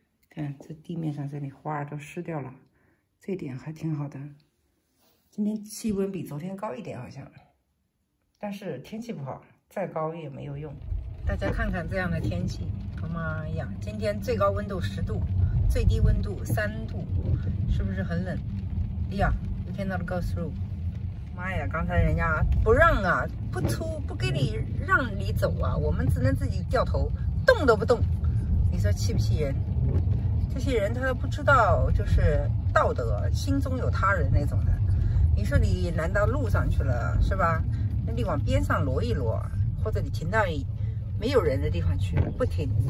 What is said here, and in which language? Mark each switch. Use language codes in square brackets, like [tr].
[zh] 看这地面上这里花儿都湿掉了，这点还挺好的。今天气温比昨天高一点，好像，但是天气不好，再高也没有用。大家看看这样的天气，好妈呀！今天最高温度10度，最低温度3度，是不是很冷？ [en] 哎呀，You cannot go through！ [zh] 妈呀，刚才人家不让啊，不出，不给你让你走啊，我们只能自己掉头，动都不动。你说气不气人？这些人他不知道，就是道德，心中有他人那种的。你说你拦到路上去了，是吧？那你往边上挪一挪，或者你停到没有人的地方去，不停。